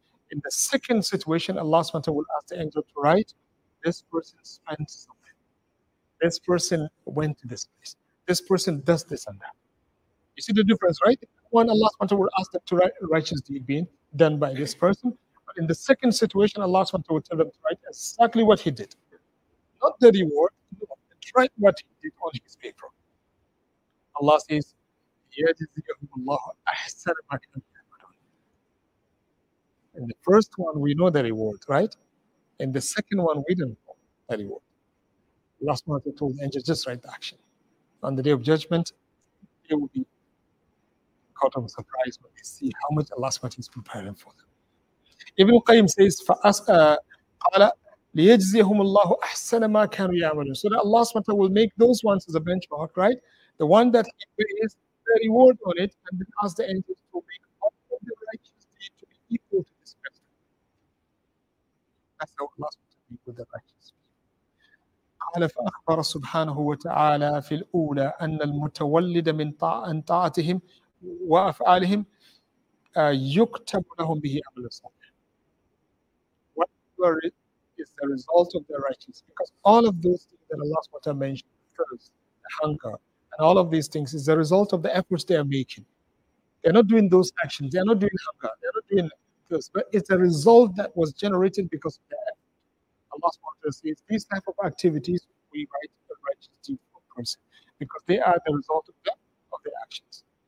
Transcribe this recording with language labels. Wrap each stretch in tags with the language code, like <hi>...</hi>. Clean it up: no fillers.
<en>In the second situation, Allah SWT will ask the angel to write, this person spent something, this person went to this place, this person does this and that. You see the difference, right? One, Allah SWT will ask them to write righteous deed being done by this person. But in the second situation, Allah SWT will tell them to write exactly what he did. Not the reward, but write what he did on his paper. Allah says,</en> <ar>يَجْزِيَهُمُ اللَّهُ أَحْسَنَ مَا كَانُوا.</ar> <en>In the first one, we know the reward, right? In the second one, we don't know the reward. Last month, I told the angel, just write the action. On the day of judgment, they will be caught on surprise when they see how much Allah SWT is preparing for them. Ibn Qayyim says,</en> <ar>فَأَسْكَ قَالَ لِيَجْزِيَهُمُ اللَّهُ أَحْسَنَ مَا كَانُوا يَعْمَلُونَ.</ar> <en>So that Allah SWT will make those ones as a benchmark, right? The one that he pays the reward on it, and then ask the angel to make all of the righteous deeds to be equal to this person. That's how Allah SWT will be with the righteous.</en> <ar>قال فأخبر سبحانه وتعالى في الأولى أن المتولد من طاعتهم وأفعالهم يكتب لهم به عمل صالح.</ar> <en>Whatever is the result of the righteous, because all of those things that Allah SWT mentioned first, the hunger, and all of these things is the result of the efforts they are making. They're not doing those actions. They're not doing hunger. They're not doing this. But it's a result that was generated because of their effort. Allah SWT says, these type of activities, we write the righteous deed for a person, because they are the result of them, of their actions.</en>